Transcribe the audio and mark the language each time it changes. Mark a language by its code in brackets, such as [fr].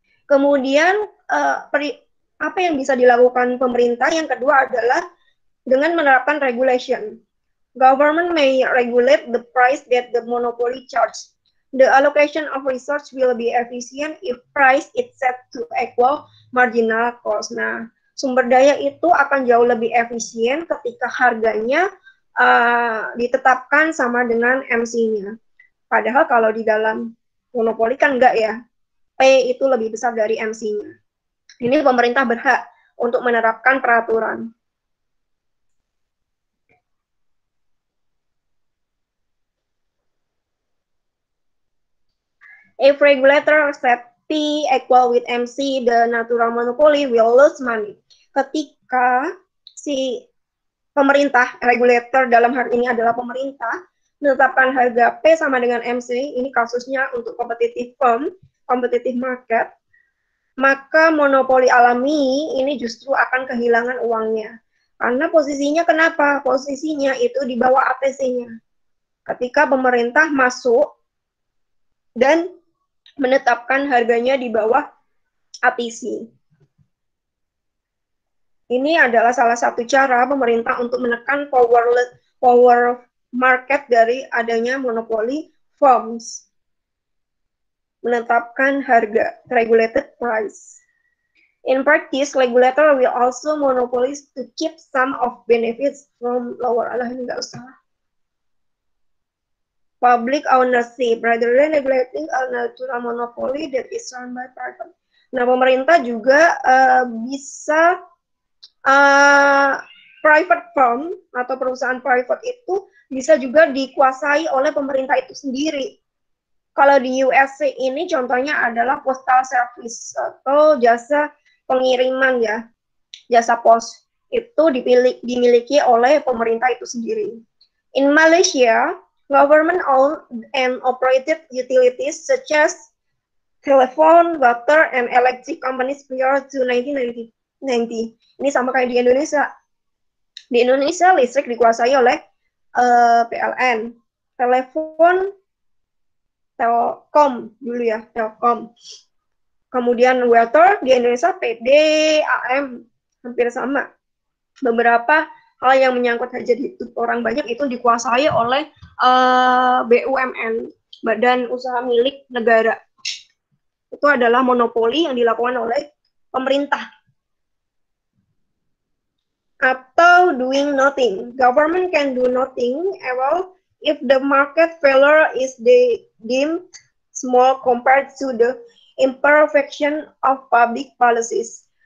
[id] Kemudian apa yang bisa dilakukan pemerintah yang kedua adalah dengan menerapkan regulation. [en] Government may regulate the price that the monopoly charge. The allocation of resource will be efficient if price is set to equal marginal cost. [id] Nah, sumber daya itu akan jauh lebih efisien ketika harganya ditetapkan sama dengan MC-nya. Padahal kalau di dalam monopoli kan enggak ya, P itu lebih besar dari MC-nya. Ini pemerintah berhak untuk menerapkan peraturan. [en] If regulator set P equal with MC, the natural monopoly will lose money. [id] Ketika si pemerintah, regulator dalam hal ini adalah pemerintah, menetapkan harga P sama dengan MC, ini kasusnya untuk competitive firm, competitive market, maka monopoli alami ini justru akan kehilangan uangnya. Karena posisinya kenapa? Posisinya itu di bawah ATC-nya. Ketika pemerintah masuk dan menetapkan harganya di bawah ATC. Ini adalah salah satu cara pemerintah untuk menekan power market dari adanya monopoly firms. Menetapkan harga, [en] regulated price. In practice, regulator will also monopolies to keep some of benefits from lower. [id] Alah, ini nggak usah. [en] Public ownership, rather than neglecting a natural monopoly that is run by private. [id] Nah, pemerintah juga bisa private firm atau perusahaan private itu bisa juga dikuasai oleh pemerintah itu sendiri. Kalau di USA ini contohnya adalah postal service atau jasa pengiriman ya, jasa pos itu dimiliki oleh pemerintah itu sendiri. [en] In Malaysia, government-owned and operated utilities such as telephone, water, and electric companies prior to 1990. [id] Ini sama kayak di Indonesia. Di Indonesia, listrik dikuasai oleh PLN. Telepon, telkom dulu ya, telkom. Kemudian water di Indonesia, PD, AM, hampir sama. Beberapa hal yang menyangkut hajat hidup orang banyak itu dikuasai oleh BUMN, Badan Usaha Milik Negara. Itu adalah monopoli yang dilakukan oleh pemerintah. Atau [en] doing nothing. Government can do nothing at all if the market failure is deemed small compared to the imperfection of public policies.